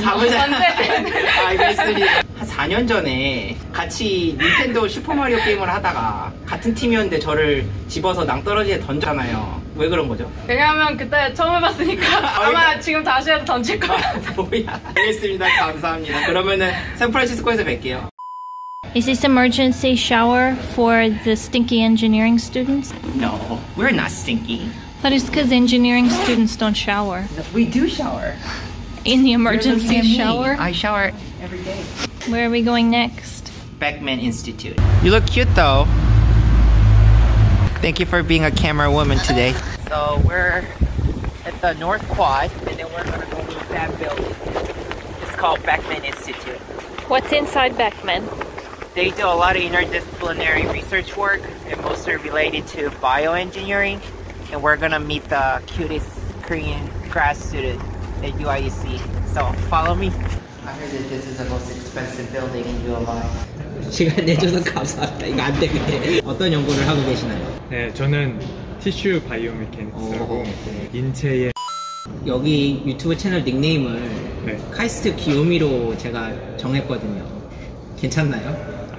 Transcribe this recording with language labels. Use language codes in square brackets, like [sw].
[ko] 밥을 사는데 알겠습니다. 한 4년 전에 같이 닌텐도 슈퍼마리오 게임을 하다가 같은 팀이었는데 저를 집어서 낭떠러지에 던졌잖아요. 왜 그런 거죠? 왜냐하면 그때 처음 해봤으니까 아마 지금 다시 해도 던질 거 뭐야. 알겠습니다. 감사합니다. 그러면은 샌프란시스코에서 뵐게요. [en] Is this emergency shower for the stinky engineering students? No, we're not stinky. But it's because engineering students don't shower. No, we do shower. In the emergency shower? I shower every day. Where are we going next? Beckman Institute. You look cute though. Thank you for being a camera woman today. So we're at the North Quad and then we're gonna go to that building. It's called Beckman Institute. What's inside Beckman? They do a lot of interdisciplinary research work and most are related to bioengineering and we're gonna meet the cutest Korean grad student at UIUC. So follow me. I heard that this is the most expensive building in UMI. [ko] 시간 내줘서 감사합니다. 이거 안 되겠네. 어떤 연구를 하고 계시나요? 네, 저는 티슈 바이오메카닉스라고 인체의 여기 유튜브 채널 닉네임을 네. 카이스트 귀요미로 제가 정했거든요. 괜찮나요?